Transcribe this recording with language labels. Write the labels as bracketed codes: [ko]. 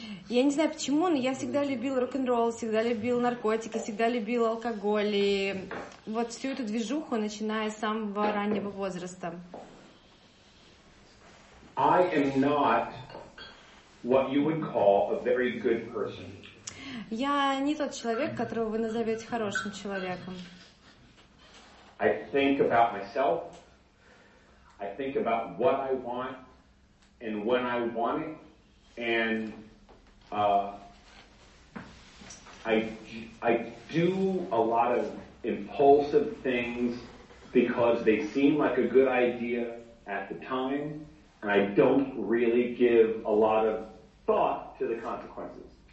[ru] Я не знаю почему, но я всегда любил рок-н-ролл, всегда любил наркотики, всегда любил алкоголь и вот всю эту движуху, начиная с самого раннего возраста. [en] I am not what you would call a very good person. [ru] Я не тот человек, которого вы назовете хорошим человеком. [en] I think about myself. I think about what I want and when I want it. And I do a lot of impulsive things because they seem like a good idea at the time, and I don't really give a lot of thought to the consequences.